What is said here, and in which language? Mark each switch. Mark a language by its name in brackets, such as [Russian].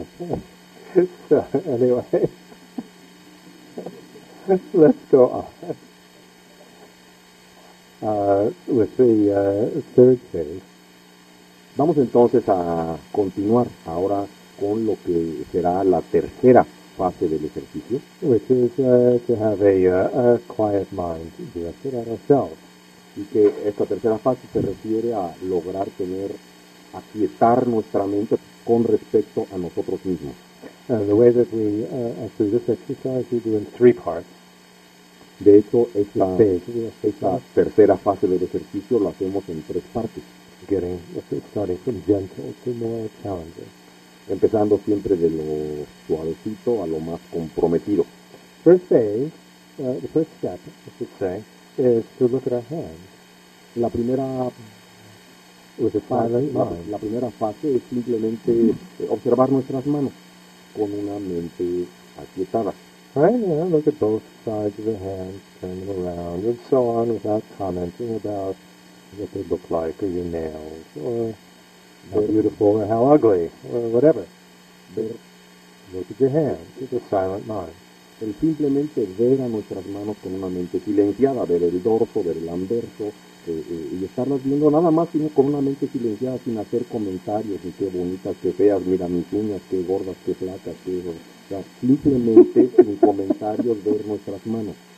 [English] So, anyway, let's go on with the third phase. [Spanish] Vamos entonces a continuar ahora con lo que será la tercera fase del ejercicio, [English] which is to have a quiet mind directed at ourselves. [Spanish] Y que esta tercera fase se refiere a lograr tener, aquietar nuestra mente con respecto a nosotros mismos. [English] And the way that we through this exercise we do in three parts. [Spanish] De hecho, esta tercera fase del ejercicio lo hacemos en tres partes. [English] Starting from gentle to more challenging. [Spanish] Empezando siempre de lo suavecito a lo más comprometido. [English] First phase, the first step, I should say, is to look at our hands. [Spanish] La primera [English] with a silent mind. [Spanish] La primera fase es simplemente observar nuestras manos con una mente aquietada. [English] Right, yeah, look at both sides of the hands, turn them around, and so on, without commenting about what they look like, or your nails, or how beautiful, or how ugly, or whatever. [Spanish] Ver. [English] Look at your hands with a silent mind. [Spanish] El simplemente ver a nuestras manos con una mente silenciada, ver el dorso, ver el anverso, y estarlas viendo nada más sino con una mente silenciada, sin hacer comentarios, y qué bonitas, qué feas, mira mis uñas, qué gordas, qué flacas, qué... O sea, simplemente sin comentarios ver nuestras manos.